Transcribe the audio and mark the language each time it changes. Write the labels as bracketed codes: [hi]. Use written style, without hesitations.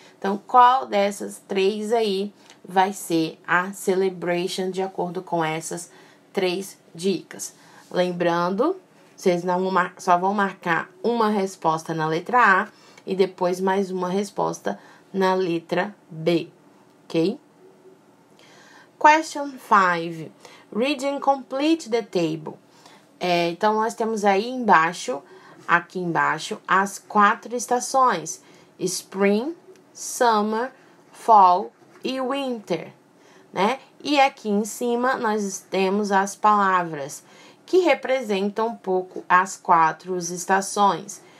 [pt] Então, qual dessas 3 aí vai ser a celebration de acordo com essas 3 dicas? Lembrando, vocês não só vão marcar uma resposta na letra A. E depois mais uma resposta na letra B, ok? [en] Question 5. Read and complete the table. [pt] Então, nós temos aí embaixo, aqui embaixo, as 4 estações: Spring, Summer, Fall e Winter, né? E aqui em cima nós temos as palavras que representam um pouco as 4 estações.